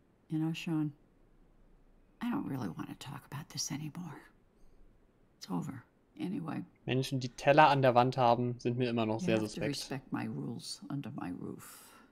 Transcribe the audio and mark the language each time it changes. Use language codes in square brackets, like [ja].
[en] You know, Sean, I don't really want to talk about this anymore. It's over. Anyway. [de] Menschen, die Teller an der Wand haben, sind mir immer noch sehr suspekt. [en] You have to respect my rules under my roof.